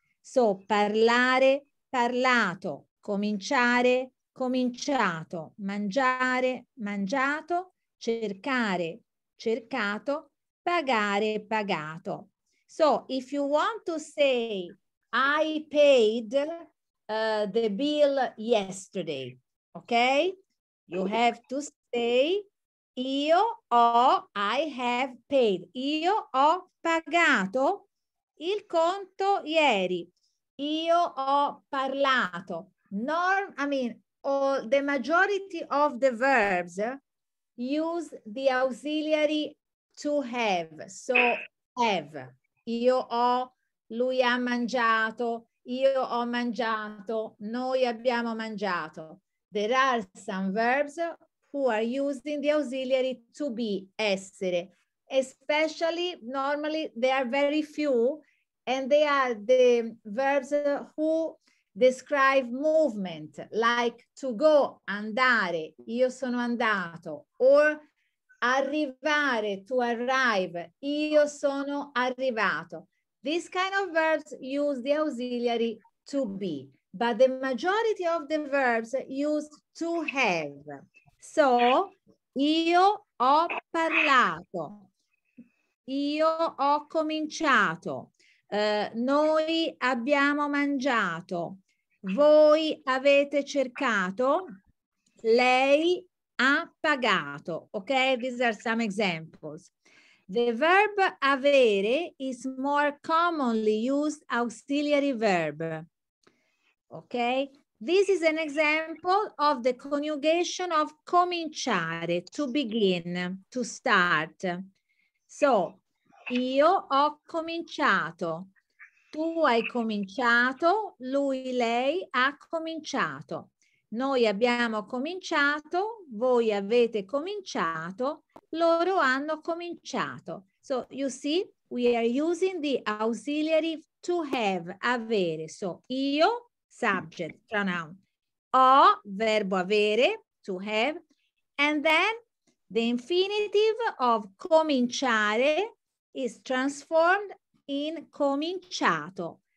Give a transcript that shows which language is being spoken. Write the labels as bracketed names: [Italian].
[Italian] So parlare, parlato, cominciare, cominciato, mangiare, mangiato, cercare, cercato, pagare, pagato. [English] So if you want to say, I paid the bill yesterday, okay? You have to say, I have paid. [Italian] Io ho pagato il conto ieri. Io ho parlato. [English] The majority of the verbs use the auxiliary to have. So have. [Italian] Io ho, lui ha mangiato, io ho mangiato, noi abbiamo mangiato. [English] There are some verbs who are used in the auxiliary to be, essere. Especially, normally, there are very few And they are the verbs who describe movement, like to go, andare, [Italian] io sono andato, [English] or arrivare, to arrive, [Italian] io sono arrivato. [English] These kind of verbs use the auxiliary to be, but the majority of the verbs use to have. [Italian] So, io ho parlato, io ho cominciato, noi abbiamo mangiato, voi avete cercato, lei ha pagato. [English] Okay, these are some examples. The verb avere is more commonly used auxiliary verb. Okay, this is an example of the conjugation of cominciare, to begin, to start. [Italian] So, io ho cominciato, tu hai cominciato, lui, lei ha cominciato. Noi abbiamo cominciato, voi avete cominciato, loro hanno cominciato. [English] So, you see, we are using the auxiliary to have, avere. So, io, subject, pronoun, ho, [Italian] verbo avere, [English] to have, and then the infinitive of cominciare is transformed in cominciato.